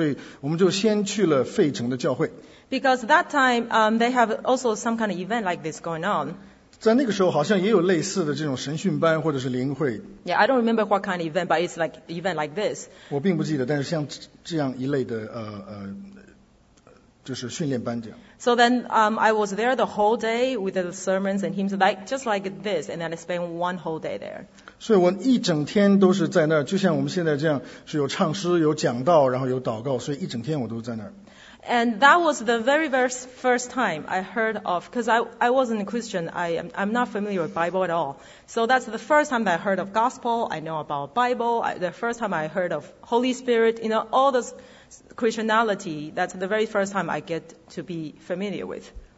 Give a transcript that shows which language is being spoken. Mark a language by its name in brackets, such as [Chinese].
[Chinese] 那我们在去纽约之前，因为她是我们真耶稣教会的教徒，所以我们就先去了费城的教会。 [English] Because that time they have also some kind of event like this going on. [Chinese] 在那个时候好像也有类似的这种神训班或者是灵会。 [English] Yeah, I don't remember what kind of event, but it's like event like this. [Chinese] 我并不记得，但是像这样一类的，就是训练班这样。 [English] So then I was there the whole day with the sermons and hymns, like just like this, and then I spent one whole day there. [Chinese] 所以我一整天都是在那儿，就像我们现在这样，是有唱诗、有讲道，然后有祷告，所以一整天我都在那儿。 [English] And that was the very, very first time I heard of, because I wasn't a Christian, I'm not familiar with Bible at all. So that's the first time that I heard of gospel, I know about Bible, the first time I heard of Holy Spirit, you know, all this Christianity, that's the very first time I get to be familiar with.